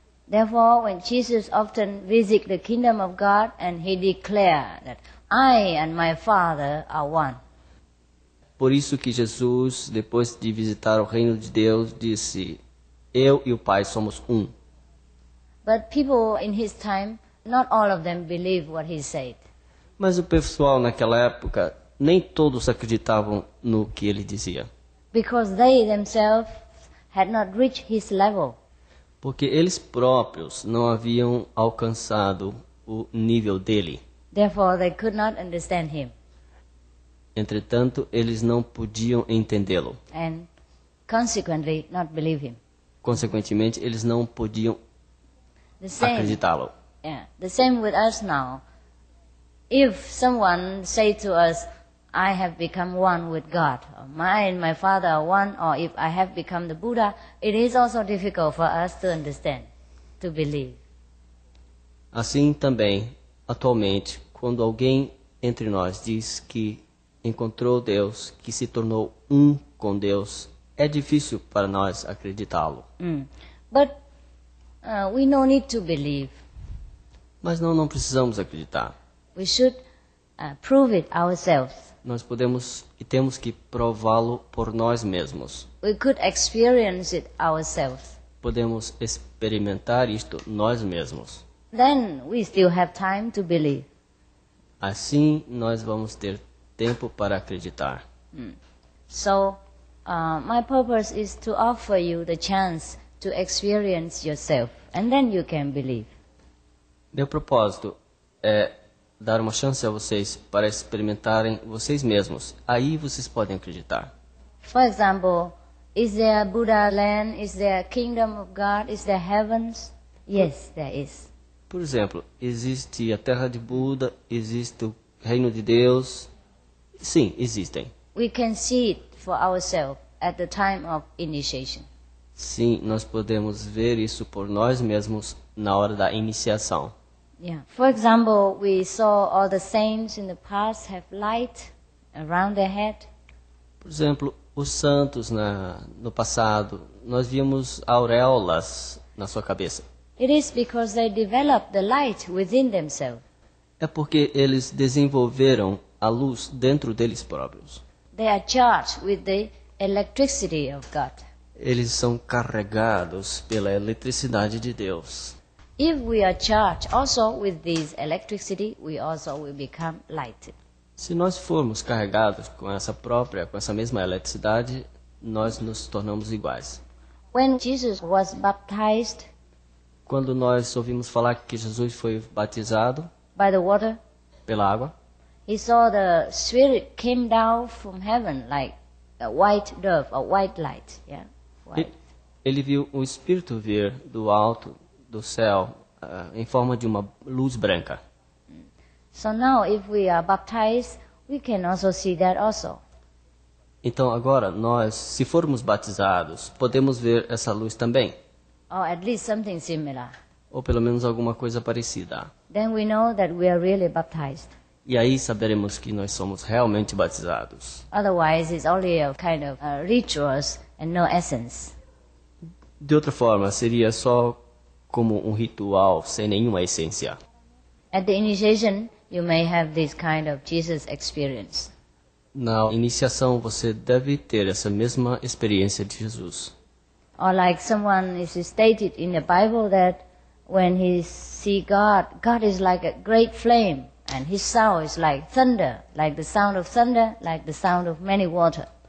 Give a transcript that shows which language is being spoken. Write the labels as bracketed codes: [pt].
[en] Therefore, when Jesus often visits the kingdom of God and he declares that I and my Father are one. [pt] Por isso que Jesus, depois de visitar o reino de Deus, disse: Eu e o Pai somos um. [en] But people in his time, not all of them believed what he said. [pt] Mas o pessoal naquela época, nem todos acreditavam no que ele dizia. [en] Because they themselves had not reached his level. [pt] Porque eles próprios não haviam alcançado o nível dele. [en] Therefore, they could not understand him. [pt] Entretanto, eles não podiam entendê-lo. [en] And consequently, not believe him. [pt] Consequentemente, eles não podiam acreditá-lo. [en] Yeah, the same with us now. If someone say to us, I have become one with God, or my and my father are one, or if I have become the Buddha, it is also difficult for us to understand, to believe. [pt] Assim também, atualmente, quando alguém entre nós diz que encontrou Deus, que se tornou um com Deus, é difícil para nós acreditá-lo. [en] But we don't need to believe. [pt] Mas não precisamos acreditar. [en] We should prove it ourselves. [pt] Nós podemos e temos que prová-lo por nós mesmos. [en] We could experience it ourselves. [pt] Podemos experimentar isto nós mesmos. [en] Then we still have time to believe. [pt] Assim nós vamos ter tempo para acreditar. [en] So, my purpose is to offer you the chance to experience yourself, and then you can believe. [pt] Meu propósito é dar uma chance a vocês para experimentarem vocês mesmos. Aí vocês podem acreditar. [en] For example, is there a Buddha land? Is there a kingdom of God? Is there heavens? Yes, there is. [pt] Por exemplo, existe a terra de Buda? Existe o reino de Deus? Sim, existem. [en] We can see it for ourselves at the time of initiation. [pt] Sim, nós podemos ver isso por nós mesmos na hora da iniciação. Yeah. [en] For example, we saw all the saints in the past have light around their head. [pt] Por exemplo, os santos no passado, nós vimos auréolas na sua cabeça. [en] It is because they developed the light within themselves. [pt] É porque eles desenvolveram a luz dentro deles próprios. [en] They are charged with the electricity of God. [pt] Eles são carregados pela eletricidade de Deus. [en] If we are charged also with this electricity, we also will become light. [pt] Se nós formos carregados com essa mesma eletricidade, nós nos tornamos iguais. [en] When Jesus was baptized, [pt] quando nós ouvimos falar que Jesus foi batizado, [en] by the water, [pt] pela água, [en] he saw the spirit came down from heaven like a white dove, a white light, yeah. White. [pt] Ele viu o espírito vir do alto do céu em forma de uma luz branca. [en] So now if we are baptized, we can also see that also. [pt] Então agora nós, se formos batizados, podemos ver essa luz também. [en] Or at least something similar. [pt] Ou pelo menos alguma coisa parecida. [en] Then we know that we are really baptized. [pt] E aí saberemos que nós somos realmente batizados. [en] Otherwise it's only a kind of a rituals and no essence. [pt] De outra forma, seria só como um ritual sem nenhuma essência. [en] At the initiation, you may have this kind of Jesus experience. [pt] Na iniciação, você deve ter essa mesma experiência de Jesus. [en] Or like someone is stated in the Bible that when he see God, God is like a great flame, and his sound is like thunder, like the sound of thunder, like the sound of many water.